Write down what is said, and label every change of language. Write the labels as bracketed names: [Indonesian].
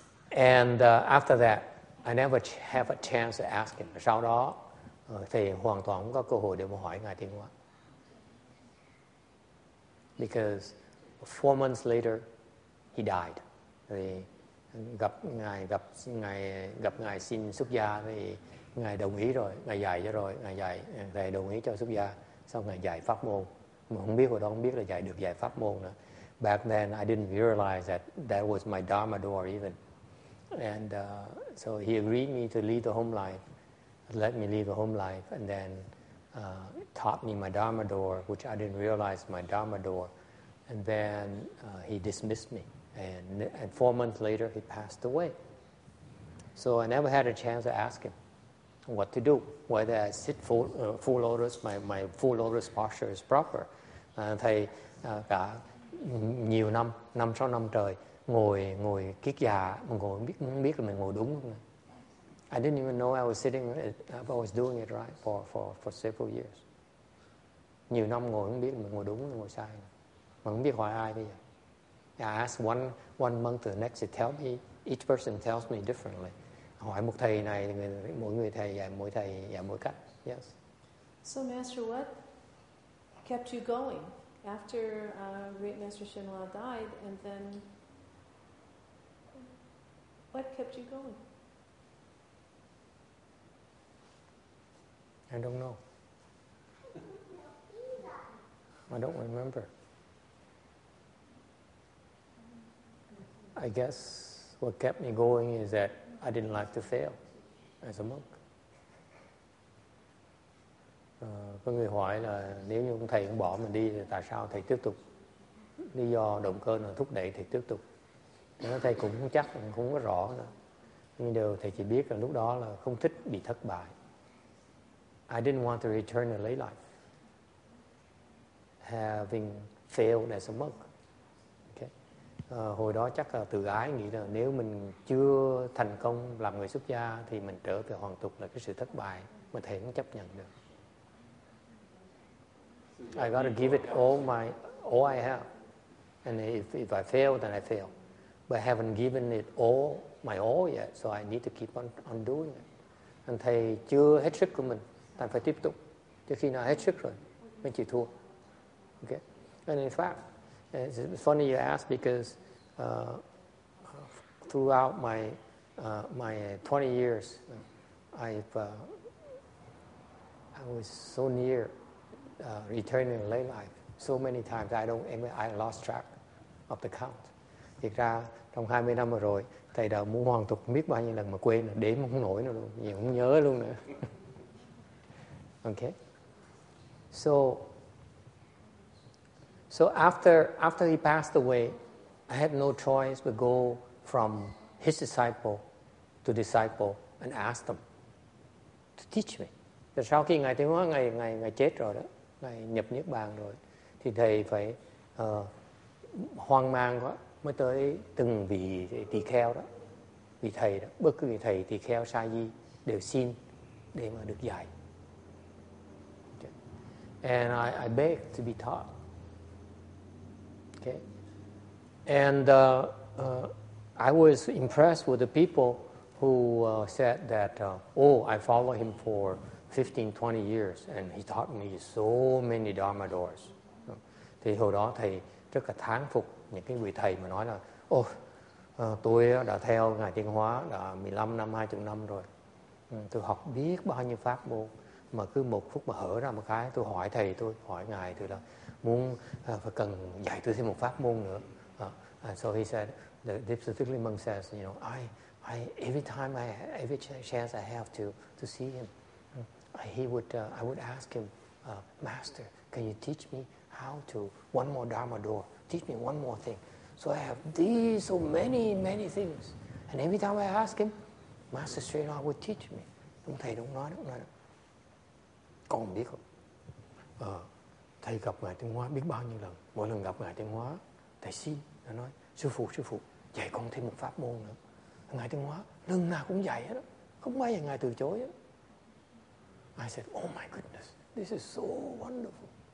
[English] And after that, I never have a chance to ask him. [Vietnamese] Sau đó, thầy hoàn toàn không có cơ hội để mà hỏi ngài Tiên Hóa. [English] Because 4 months later, he died. [Vietnamese] Thì gặp ngài xin xuất gia thì ngài đồng ý rồi, ngài dạy cho rồi, ngài dạy, thầy đồng ý cho xuất gia, xong ngài dạy pháp môn, mà không biết hồi đó không biết là dạy được dạy pháp môn nữa. [English] Back then I didn't realize that was my dharma door even, and so he agreed me to leave the home life let me leave a home life, and then taught me my Dharma door, which I didn't realize my Dharma door. And then he dismissed me. And 4 months later, he passed away. So I never had a chance to ask him what to do, whether I sit full lotus, my full lotus posture is proper. [Vietnamese] Thầy cả nhiều năm, 5-6 năm trời, ngồi kiết già, ngồi biết là mình ngồi đúng không? [English] I didn't even know I was sitting, I was doing it right for several years. [Vietnamese] Nhiều năm ngồi không biết mình ngồi đúng hay ngồi sai. Mà không biết hỏi ai bây giờ. [English] I asked one month to the next, they tell me, each person tells me differently. [Vietnamese] Hỏi một thầy này, mỗi thầy dạy mỗi cách. [English] Yes. So Master, what kept you going after Great Master Shenhua died, and then what kept you going? I don't know. I don't remember. I guess what kept me going is that I didn't like to fail as a monk. [Vietnamese] Có người hỏi là nếu như thầy không bỏ mình đi thì tại sao thầy tiếp tục? Lý do động cơ nào thúc đẩy thầy tiếp tục? Thầy cũng không chắc, cũng không có rõ nữa. Nhưng điều thầy chỉ biết là lúc đó là không thích bị thất bại. [English] I didn't want to return to lay life, having failed as a monk. Okay. [Vietnamese] Hồi đó chắc là tự ái nghĩ là nếu mình chưa thành công làm người xuất gia thì mình trở về hoàng tục là cái sự thất bại mà thầy cũng chấp nhận được. [English] I got to give it all I have, and if I fail, then I fail. But I haven't given it all my all yet, so I need to keep on doing it. [Vietnamese] And thầy chưa hết sức của mình. Thầy phải tiếp tục, trước khi nó hết sức rồi, mình chỉ thua. [English] Okay. And in fact, it's funny you ask because throughout my 20 years, I was so near returning to lay life so many times I lost track of the count. [Vietnamese] Thực ra trong 20 năm rồi, thầy đã muốn hoàn tục biết bao nhiêu lần mà quên, đếm không nổi nữa luôn, nhiều không nhớ luôn nữa. [English] Okay, so after he passed away, I had no choice but go from his disciple to disciple and ask them to teach me. [Vietnamese] Thì sau khi ngài tiêu hóa ngài chết rồi đó, ngài nhập niết bàn rồi, thì thầy phải hoang mang quá mới tới từng vị tỳ kheo đó, vị thầy đó, bất cứ vị thầy tỳ kheo sa di đều xin để mà được dạy. [English] And I begged to be taught. Okay. And I was impressed with the people who said that, I followed him for 15, 20 years, and he taught me so many Dharma doors. [Vietnamese] Thì hồi đó thầy rất là thán phục những cái người thầy mà nói là, tôi đã theo Ngài Tiên Hóa đã 15 năm, 20 năm rồi. Tôi học biết bao nhiêu pháp môn. Mà cứ một phút mà hở ra một cái, tôi hỏi thầy, tôi hỏi ngài, tôi là muốn phải cần dạy tôi thêm một pháp môn nữa. [English] So he said, the Dipsutukli monk says, you know, every chance I have to see him, I would ask him, Master, can you teach me how to one more Dharma door? Teach me one more thing. So I have these so many many things, and every time I ask him, Master straight away would teach me. [Vietnamese] Ông thầy đúng nói. Con biết không? Thầy gặp Ngài Tiên Hóa biết bao nhiêu lần. Mỗi lần gặp Ngài Tiên Hóa, thầy xin. Nó nói, sư phụ, dạy con thêm một pháp môn nữa. Ngài Tiên Hóa, lần nào cũng dạy hết đó. Không bao giờ Ngài từ chối hết. [English] I said, oh my goodness, this is so wonderful.